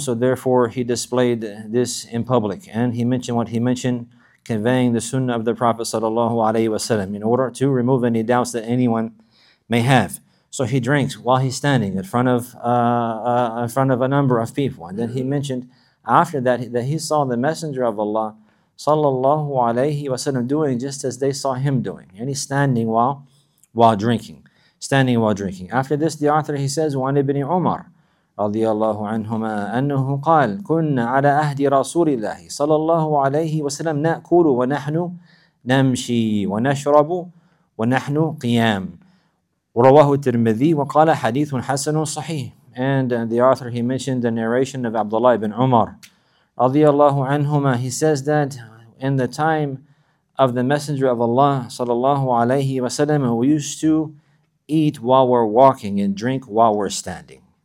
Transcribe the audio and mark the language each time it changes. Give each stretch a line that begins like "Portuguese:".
English: So therefore he displayed this in public, and he mentioned what he mentioned, conveying the sunnah of the Prophet sallallahu alaihi wasallam, in order to remove any doubts that anyone may have. So he drinks while he's standing in front of a number of people. And then he mentioned after that he saw the Messenger of Allah sallallahu alaihi wasallam doing just as they saw him doing, and he's standing while drinking. After this, the author, he says,
Arabic: وَعَنْ ابْنِ عُمَرَ رضي الله عنهما أنه قال كنا على أهدي رسول الله صلى الله عليه وسلم نأكل ونحن نمشي ونشرب ونحن قيام ورواه الترمذي وقال حديث حسن صحيح.
English: And the author, he mentioned the narration of Abdullah ibn Umar
Arabic: رضي الله عنهما.
English: He says that in the time of the Messenger of Allah
Arabic: صلى الله عليه وسلم,
English: we used to eat while we're walking and drink while we're standing.